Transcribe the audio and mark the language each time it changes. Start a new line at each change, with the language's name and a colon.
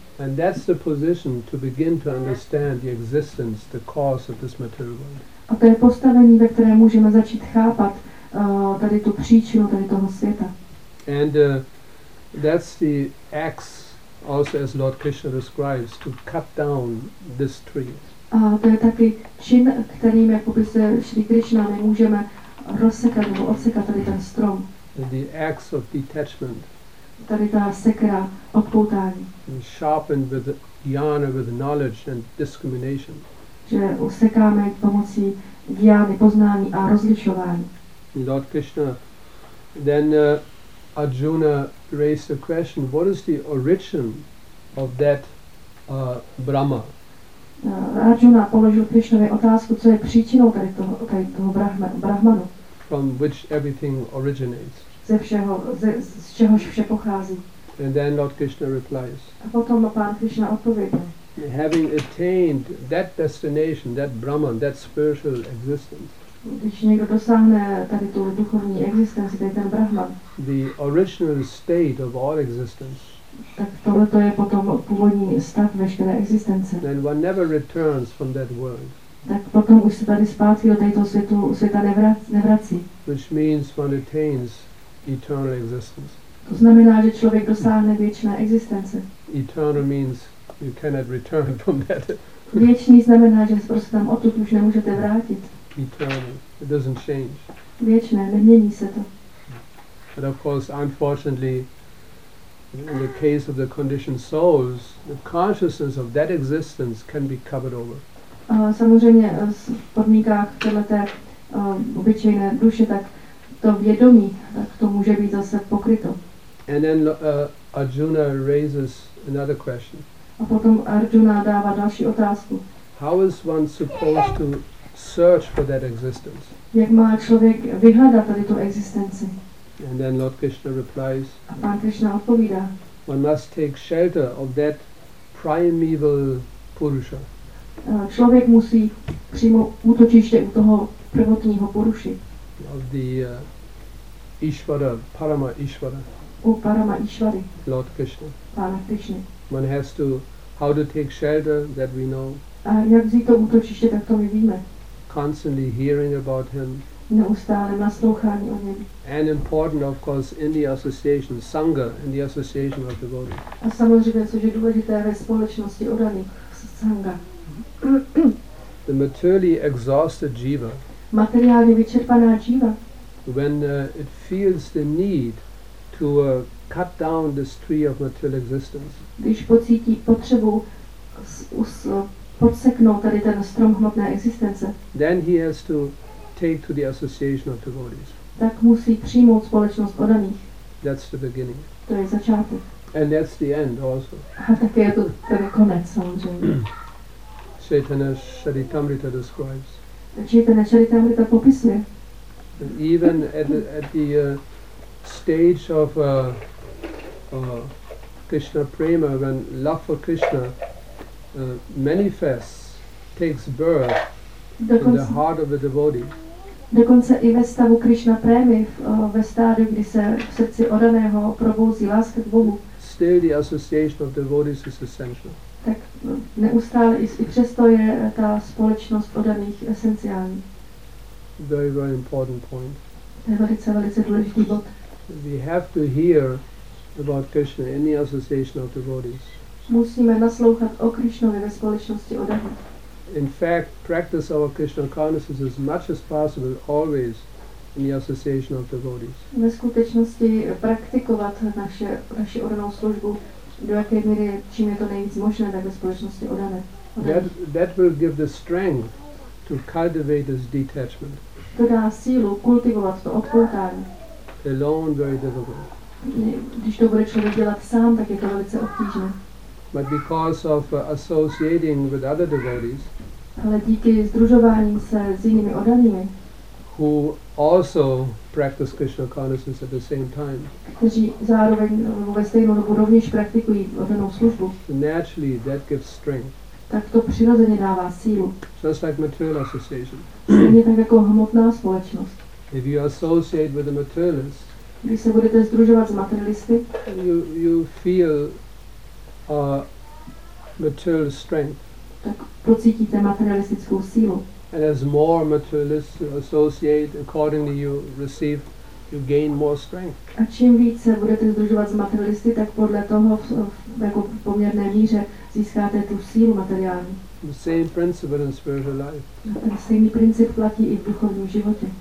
English: And that's the position to begin to understand the existence, the cause of this material world.
Czech: A to je postavení, ve kterém můžeme začít chápat tady tu příčinu tady toho světa.
English: And that's the axe, also as Lord Krishna describes, to cut down this tree.
Czech: A to je taky čin, kterým jakoby se Sri Krishna my můžeme rozsekat nebo odsekat tady ten strom.
English: The axe of detachment.
Czech: Tady ta sekera odpoutání.
English: Sharpened with jnana, with knowledge and discrimination.
Czech: Že usekáme pomocí jnany, poznání a rozlišování.
English: Lord Krishna, then Arjuna raised the question, what is the origin of that Brahma?
Czech: Arjuna položil Krishnovi otázku, co je příčinou tady toho Brahmanu.
English: From which everything originates.
Czech: Ze všeho, z čehož vše pochází.
English: And then Lord Krishna replies.
Czech: A potom Pán Krishna odpověděl.
English: Having attained that destination, that Brahman, that spiritual existence.
Czech: Když někdo dosáhne tady tu duchovní existenci, tady ten Brahman.
English: The original state of all existence.
Czech: Tak tohle to je potom původní stav veškeré existence.
English: Then one never returns from that world.
Czech: tak potom už se tady zpátky do tohoto světa nevrací.
English: Which means one attains eternal existence.
Czech: To znamená, že člověk dosáhne věčné existence.
English: Eternal means you cannot return from that.
Czech: Věčný znamená, že prostě tam odtud už nemůžete vrátit.
English: Eternal, it doesn't change.
Czech: Věčné, nemění se to.
English: But of course, unfortunately, in the case of the conditioned souls, the consciousness of that existence can be covered over.
Czech: Samozřejmě v podmínkách této obyčejné duše, tak to vědomí, tak to může být zase pokryto.
English: And then Arjuna raises another question.
Czech: A potom Arjuna dává další otázku.
English: How is one supposed to search for that existence?
Czech: Jak má člověk vyhledat tady tu existenci?
English: And then Lord Krishna replies,
Czech: a pán Krishna odpovídá,
English: one must take shelter of that primeval Purusha.
Czech: Člověk musí přímo útočiště u toho prvotního Puruši.
English: Of the Ishvara, Parama Ishvara.
Czech: U Parama Ishvary.
English: Lord Krishna.
Czech: Pána Krishna.
English: One has to, how to take shelter, that we know.
Czech: A jak vzít to útočiště, tak to my víme.
English: Constantly hearing about him.
Czech: Neustále naslouchání o něm.
English: And important, of course, in the association, Sangha, in the association of devotees.
Czech: A samozřejmě, což je důležité ve společnosti oddaných, Sangha.
English: The materially exhausted jiva,
Czech: materiálně vyčerpaná jiva,
English: when it feels the need to cut down this tree of material existence,
Czech: když pocítí potřebu podseknout tady ten strom hmotné existence,
English: then he has to take to the association of devotees.
Czech: Tak musí přijmout společnost oddaných.
English: That's the beginning.
Czech: To je začátek.
English: And that's the end also.
Czech: A tak je to ten konec samozřejmě.
English: Chaitanya Charitamrita describes.
Czech: Chaitanya Charitamrita popisuje.
English: And even at the stage of Krishna Prema, when love for Krishna manifests, takes birth in the heart of the devotee.
Czech: Dokonce i ve stavu Krishna Premy, ve stádiu, kdy se v srdci oddaného probouzí láska k Bohu.
English: Still the association of devotees is essential.
Czech: Tak neustále i přesto je ta společnost oddaných esenciální.
English: Very, very important point.
Czech: To je velice, velice důležitý bod.
English: We have to hear about Krishna in the association of devotees.
Czech: Musíme naslouchat o Krishnovi ve společnosti oddaných.
English: In fact, practice our Krishna consciousness as much as possible, always in the association of devotees.
Czech: Ve skutečnosti praktikovat naši oddanou službu do jaké míry, čím je to nejvíc možné, tak ve společnosti oddané.
English: That will give the strength to cultivate this detachment.
Czech: To dá sílu kultivovat to odpoutání.
English: Alone, very difficult.
Czech: Když to bude člověk dělat sám, tak je to velice obtížné.
English: But because of associating with other devotees,
Czech: ale díky združování se s jinými oddanými,
English: who also practice Krishna consciousness at the same time,
Czech: kteří zároveň ve stejnou dobu rovněž praktikují oddanou službu,
English: naturally that gives strength.
Czech: Tak to přirozeně dává sílu.
English: Just like material association.
Czech: Stejně tak jako hmotná společnost.
English: If you associate with a materialist,
Czech: když se budete združovat s materialisty,
English: you feel material strength.
Czech: Tak pocítíte materialistickou sílu.
English: And as more materialists associate, accordingly you receive, you gain more strength.
Czech: A čím více budete združovat s materialisty, tak podle toho jako v poměrné míře získáte tu sílu materiální.
English: The same principle in spiritual life.
Czech: Ten stejný princip platí i v duchovním životě.